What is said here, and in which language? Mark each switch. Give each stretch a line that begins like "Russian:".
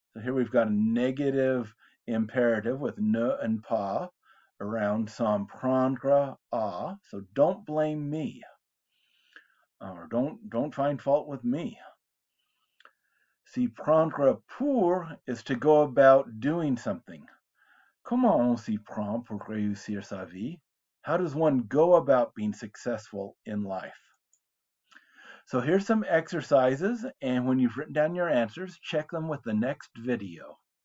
English: So here we've got a negative imperative with ne and pas around s'en prendre à, so don't blame me, or don't find fault with me. Si prendre pour is to go about doing something.
French: Comment on s'y prend pour réussir sa vie?
English: How does one go about being successful in life? So here's some exercises, and when you've written down your answers, check them with the next video.